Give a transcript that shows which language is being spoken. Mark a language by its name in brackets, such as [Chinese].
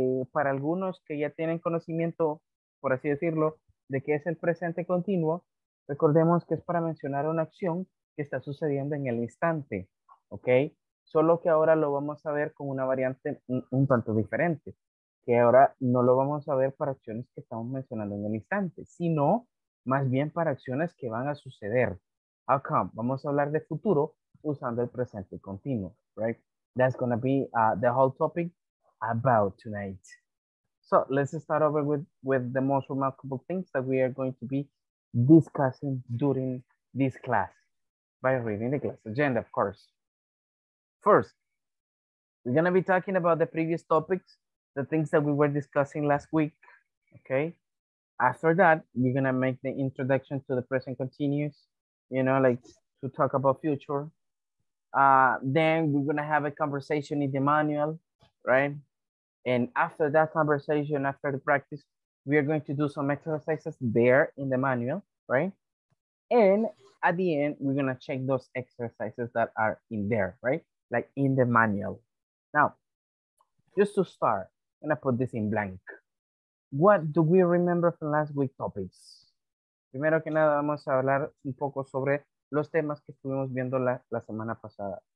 [Spanish] Para algunos que ya tienen conocimiento, por así decirlo, de qué es el presente continuo, recordemos que es para mencionar una acción que está sucediendo en el instante, okay? Solo que ahora lo vamos a ver con una variante un tanto diferente, que ahora no lo vamos a ver para acciones que estamos mencionando en el instante, sino más bien para acciones que van a suceder. [English] How come? [Spanish] Vamos a hablar de futuro usando el presente continuo, right? [English] That's going to be the whole topic about tonight. So let's start over with the most remarkable things that we are going to be discussing during this class by reading the class agenda, of course. First, we're gonna be talking about the previous topics, the things that we were discussing last week, okay? after that, you're gonna make the introduction to the present continuous, you know, like to talk about future. Then we're gonna have a conversation in the manual, right? And after that conversation, after the practice, we are going to do some exercises there in the manual, right? And at the end, we're gonna check those exercises that are in there, right? Like in the manual. Now, just to start, I'm gonna put this in blank. What do we remember from last week's topics? [Spanish] Primero que nada, vamos a hablar un poco sobre los temas que estuvimos viendo la semana pasada.